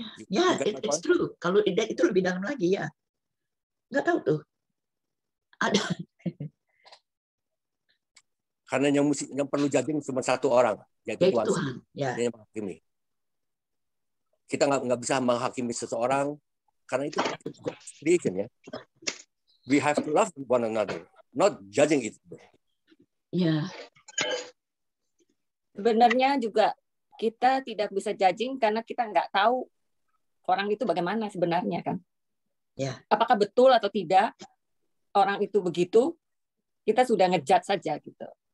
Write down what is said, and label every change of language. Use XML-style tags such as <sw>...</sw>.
<id>Ya,</id> <en>it's true.</en> <id>Kalau itu lebih dalam lagi ya. Nggak tahu tuh. Ada. Karena yang perlu judging cuma satu orang, yaitu Tuhan. Tuhan. Ya. Menghakimi. Kita nggak bisa menghakimi seseorang karena itu creation ya.</id> <en>We have to love one another, not judging it. Yeah.</en> <id>Sebenarnya juga kita tidak bisa judging karena kita nggak tahu orang itu bagaimana sebenarnya kan.</id> <en>Yeah.</en> <id>Apakah betul atau tidak orang itu begitu, kita sudah ngejudge saja gitu.</id>